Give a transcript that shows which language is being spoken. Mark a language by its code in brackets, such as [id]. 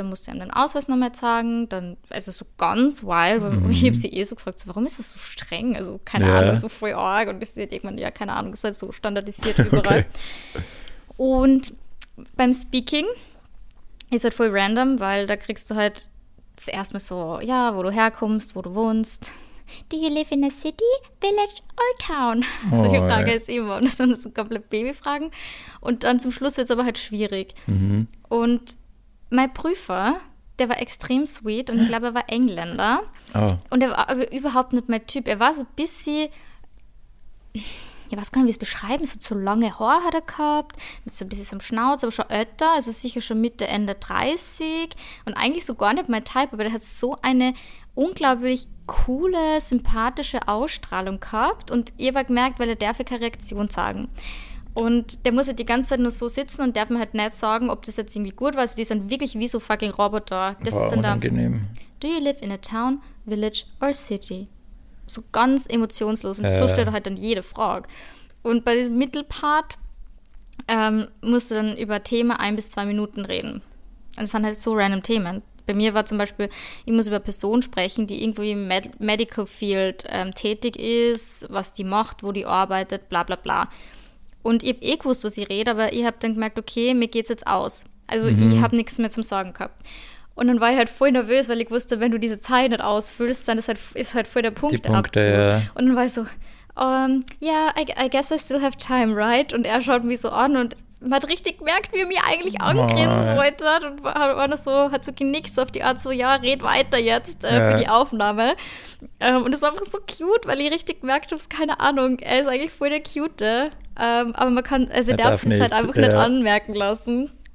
[de] Dann musst du ihm den Ausweis noch mal zeigen. Dann, also so ganz wild, weil ich habe sie eh so gefragt, so, warum ist das so streng? Also keine Ahnung, so voll arg. Und ich sehe irgendwann, ja, keine Ahnung, ist halt so standardisiert überall. Okay. Und beim Speaking ist halt voll random, weil da kriegst du halt zuerst mal so, ja, wo du herkommst, wo du wohnst. [en] Do you live in a city, village or town? Oh, [de] so die Frage ist immer. Und das sind so komplett Babyfragen. Und dann zum Schluss wird es aber halt schwierig. Mhm. Und mein Prüfer, der war extrem sweet und ich glaube, er war Engländer. Oh. Und er war aber überhaupt nicht mein Typ. Er war so ein bisschen, ich weiß gar nicht, wie ich es beschreiben, so zu lange Haare hat er gehabt, mit so ein bisschen so einem Schnauz, aber schon älter, also sicher schon Mitte, Ende 30. Und eigentlich so gar nicht mein Type, aber der hat so eine unglaublich coole, sympathische Ausstrahlung gehabt. Und ich habe gemerkt, weil er darf keine Reaktion sagen. Und der muss halt die ganze Zeit nur so sitzen und darf mir halt nicht sagen, ob das jetzt irgendwie gut war. Also die sind wirklich wie so fucking Roboter. Das war ist dann unangenehm. [en] Do you live in a town, village or city? [de] So ganz emotionslos. Und so stellt er halt dann jede Frage. Und bei diesem Mittelpart musst du dann über Themen 1 bis 2 Minuten reden. Und das sind halt so random Themen. Bei mir war zum Beispiel, ich muss über Personen sprechen, die irgendwie im Medical Field tätig ist, was die macht, wo die arbeitet, bla bla bla. Und ich habe eh gewusst, was ich rede, aber ich habe dann gemerkt, okay, mir geht's jetzt aus. Also ich habe nichts mehr zum Sagen gehabt. Und dann war ich halt voll nervös, weil ich wusste, wenn du diese Zeit nicht ausfüllst, dann ist halt voll der Punkt ab. Und dann war ich so, [en] yeah, I guess I still have time, right? [de] Und er schaut mich so an und man hat richtig gemerkt, wie er mich eigentlich angrinsen wollte und war noch so, hat so genickt, so auf die Art so, ja, red weiter jetzt für die Aufnahme. Und es war einfach so cute, weil ich richtig gemerkt habe, keine Ahnung, er ist eigentlich voll der Cute. Aber man kann, also darf es halt einfach nicht anmerken lassen.